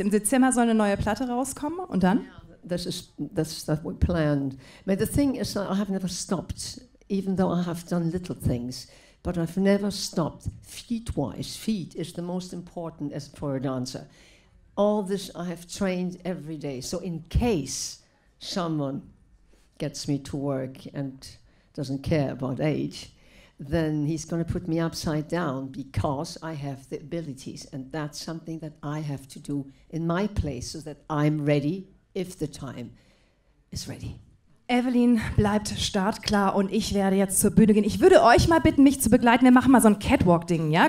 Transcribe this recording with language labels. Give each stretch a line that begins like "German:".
German: Im Dezember soll eine neue Platte rauskommen und dann?
English: That's what we planned. But the thing is that I have never stopped, even though I have done little things, but I've never stopped feet-wise. Feet is the most important as for a dancer. All this I have trained every day. So in case someone gets me to work and doesn't care about age, then he's going to put me upside down because I have the abilities. And that's something that I have to do in my place so that I'm ready if the time is ready.
German: Evelyn bleibt startklar und ich werde jetzt zur Bühne gehen. Ich würde euch mal bitten, mich zu begleiten. Wir machen mal so ein Catwalk-Ding, ja?